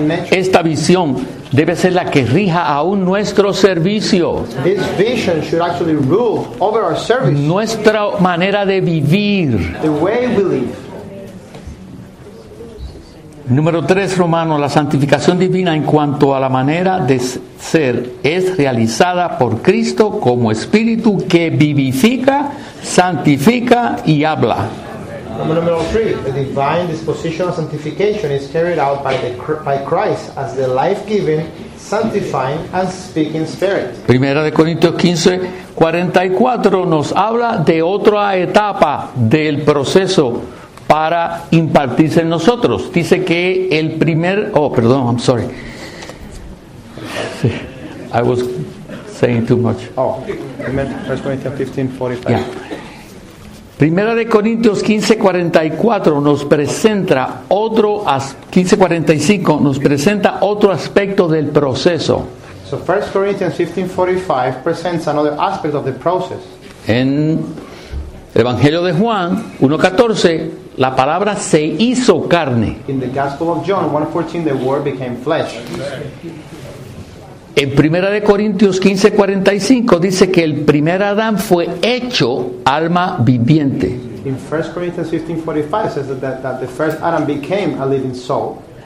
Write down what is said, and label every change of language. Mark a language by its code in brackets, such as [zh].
[es] Esta visión debe ser la que rija aún nuestro servicio. [en] This vision should actually rule over our service. [es] Nuestra manera de vivir. [en] The way we live. [es] Número 3, Romano, la santificación divina en cuanto a la manera de ser es realizada por Cristo como Espíritu que vivifica, santifica y habla. [en] Número 3, the divine disposition of sanctification is carried out by Christ as the life-giving, sanctifying and speaking Spirit. [es] 1 Corintios 15, 44 nos habla de otra etapa del proceso para impartirse en nosotros. Dice que el primer... Oh, perdón, [en] I'm sorry. I was saying too much. Oh, [es] 1 Corintios 15:44 nos presenta otro 15:45 nos presenta otro aspecto del proceso. [en] So 1 Corinthians 15:45 presents another aspect of the process. [es] En Evangelio de Juan 1:14, la palabra se hizo carne. [en] In the Gospel of John 1:14, the word became flesh. [es] En 1 de Corintios 15:45 dice que el primer Adán fue hecho alma viviente. [en] In 1 Corinthians 15:45 says that the first Adam became a living soul.